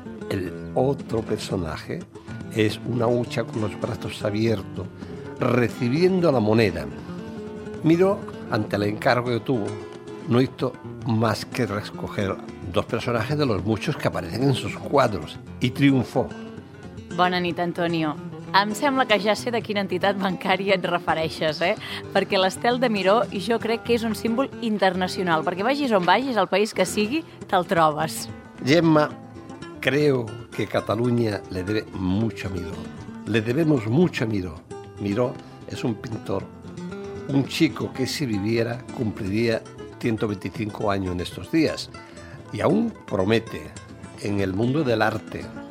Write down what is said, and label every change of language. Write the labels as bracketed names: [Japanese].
[Spanish] El otro personaje es una hucha con los brazos abiertos, recibiendo la moneda. Miró, ante el encargo que tuvo, no hizo más que escoger dos personajes de los muchos que aparecen en sus cuadros, y triunfó. [Catalan] Bona nit, Antonio. Em sembla que ja sé de quina entitat bancària et refereixes, eh? Perquè l'estel de Miró jo crec que és un símbol internacional, perquè vagis on vagis, al país que sigui, te'l trobes. [Spanish] Gemma, creo que Catalunya le debe mucho a Miró. Le debemos mucho a Miró. Miró es un pintor, un chico que si viviera cumpliría 125 años en estos días y aún promete en el mundo del arte.